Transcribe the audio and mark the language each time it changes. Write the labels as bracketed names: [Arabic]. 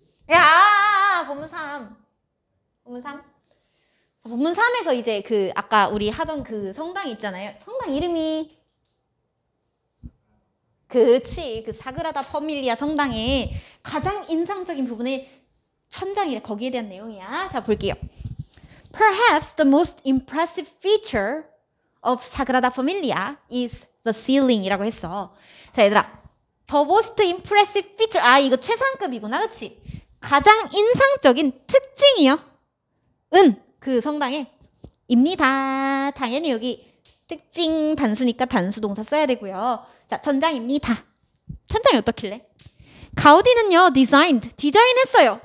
[Korean] 야, 본문 3. 본문 3. 본문 3에서 이제 그 아까 우리 하던 그 성당 있잖아요. 성당 이름이 그치. 그 사그라다 퍼밀리아 성당의 가장 인상적인 부분의 천장이래. 거기에 대한 내용이야. 자, 볼게요. [English] Perhaps the most impressive feature of Sagrada Familia is the ceiling이라고 했어. [Korean] 자, 얘들아. [English] The most impressive feature. [Korean] 아, 이거 최상급이구나. 그치? 가장 인상적인 특징이요. 은. 그 성당에. 입니다. 당연히 여기 특징 단수니까 단수동사 써야 되고요. 자, 천장입니다. 천장이 어떻길래? 가우디는요, designed, 디자인했어요.